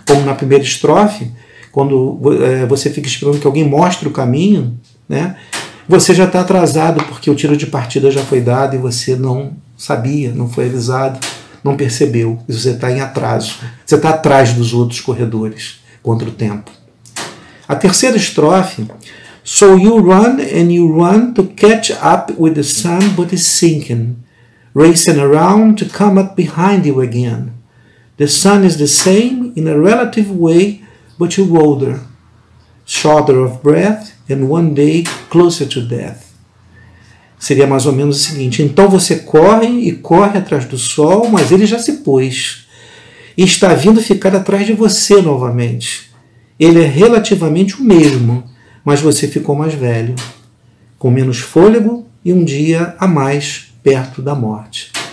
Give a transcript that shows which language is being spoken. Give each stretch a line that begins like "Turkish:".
Portuguese: Como na primeira estrofe, quando você fica esperando que alguém mostre o caminho, né? Você já está atrasado porque o tiro de partida já foi dado e você não sabia, não foi avisado, não percebeu. E você está em atraso. Você está atrás dos outros corredores contra o tempo. A terceira estrofe:
English: So you run and you run to catch up with the sun, but it's sinking, racing around to come up behind you again. The sun is the same in a relative way, but you're older, shorter of breath. And one day closer to death.
Portuguese: Seria mais ou menos o seguinte: então você corre e corre atrás do sol, mas ele já se pôs e está vindo ficar atrás de você novamente. Ele é relativamente o mesmo, mas você ficou mais velho, com menos fôlego e um dia a mais perto da morte.